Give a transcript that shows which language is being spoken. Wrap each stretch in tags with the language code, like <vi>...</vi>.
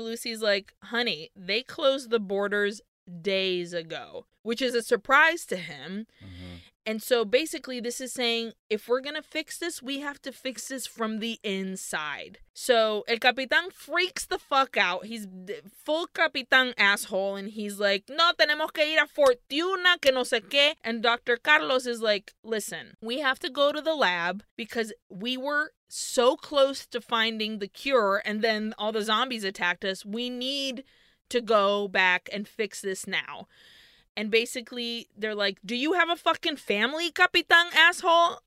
<en>Lucy's like, honey, they closed the borders days ago, which is a surprise to him. Mm-hmm. And so basically this is saying, if we're going to fix this, we have to fix this from the inside. So El Capitán freaks the fuck out. He's full Capitán asshole. And he's like, no,</en> <es>tenemos que ir a Fort Tiuna, que no sé qué.</es> <en>And Dr. Carlos is like, listen, we have to go to the lab because we were so close to finding the cure. And then all the zombies attacked us. We need to go back and fix this now. And basically, they're like, do you have a fucking family, Capitán asshole?</en>